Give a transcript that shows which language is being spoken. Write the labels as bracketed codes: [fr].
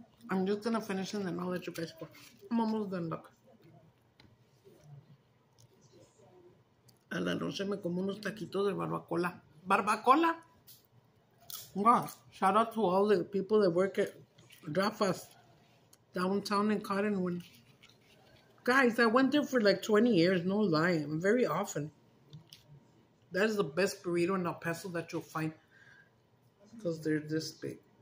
[en] I'm just gonna finish and then I'll let you guys go. I'm almost done, look. [es] A la noche me como unos taquitos de barbacola. ¿Barbacola? Wow. [en] Shout out to all the people that work at Rafa's downtown in Cottonwood. Guys, I went there for like 20 years, no lie. Very often. That is the best burrito in El Paso that you'll find. Because they're this big.